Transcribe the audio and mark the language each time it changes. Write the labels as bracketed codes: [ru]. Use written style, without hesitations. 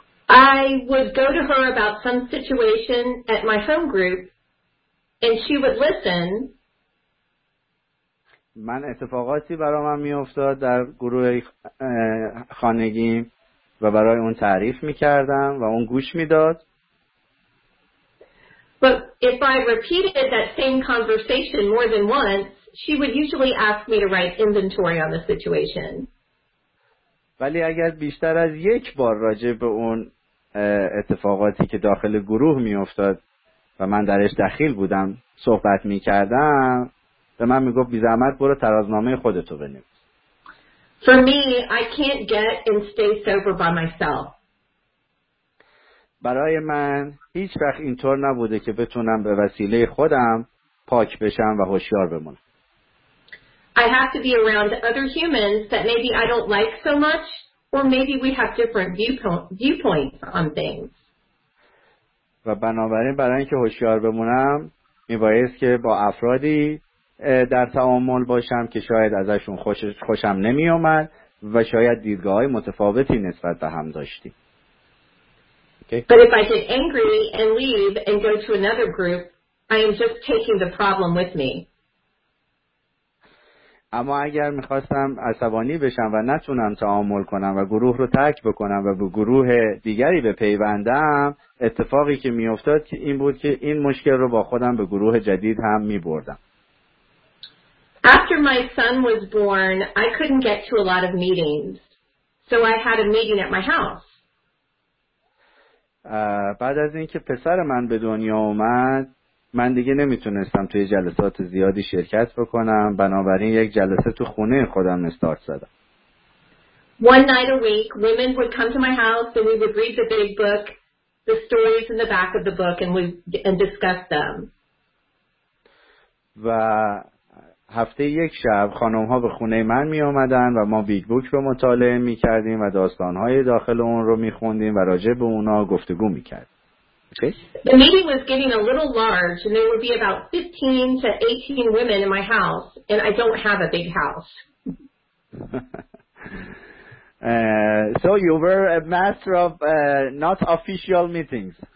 [en] I would go to her about some situation at my home group and she would listen. [fa] من اتفاقاتی برام میافتاد در گروه خانگیم و برای اون تعریف میکردم و اون گوش میداد. [en] But if I repeated that same conversation more than once, she would usually ask me to write inventory on the situation. [fa] ولی اگر بیشتر از یک بار راجع به اون اتفاقاتی که داخل گروه میافتاد و من درش دخیل بودم صحبت میکردم، به من میگفت بی زحمت برو ترازنامه خودتو بنویس. [en] For me, I can't get and stay sober by myself. [fa] برای من هیچ وقت اینطور نبوده که بتونم به وسیله خودم پاک بشم و هوشیار بمونم. [en] I have to be around other humans that maybe I don't like so much, or maybe we have different viewpoints on things. [fa] و بنابراین برای اینکه هوشیار بمونم، میبایست که با افرادی در تعامل باشم که شاید ازشون خوشم نمیومد و شاید دیدگاه‌های متفاوتی نسبت به هم داشتیم. [en] Okay. But if I get angry and leave and go to another group, I am just taking the problem with me. [fa] اما اگر میخواستم عصبانی بشم و نتونم تعامل کنم و گروه رو ترک بکنم و به گروه دیگری بپیوندم، اتفاقی که میافتاد این بود که این مشکل رو با خودم به گروه جدید هم میبردم. [en] After my son was born, I couldn't get to a lot of meetings, so I had a meeting at my house. [fa] بعد از اینکه پسر من به دنیا اومد، من دیگه نمیتونستم توی جلسات زیادی شرکت بکنم، بنابراین یک جلسه تو خونه خودم استارت زدم. [en] One night a week, women would come to my house and we would read the big book, the stories in the back of the book, and discuss them. [fa] و هفته یک شب خانم ها به خونه من می اومدن و ما بیگ بوک رو مطالعه می کردیم و داستان های داخل اون رو می خوندیم و راجع به اونا گفتگو می کردیم. [en] The meeting was getting a little large and there would be about 15 to 18 women in my house and I don't have a big house. So you were a master of not official meetings.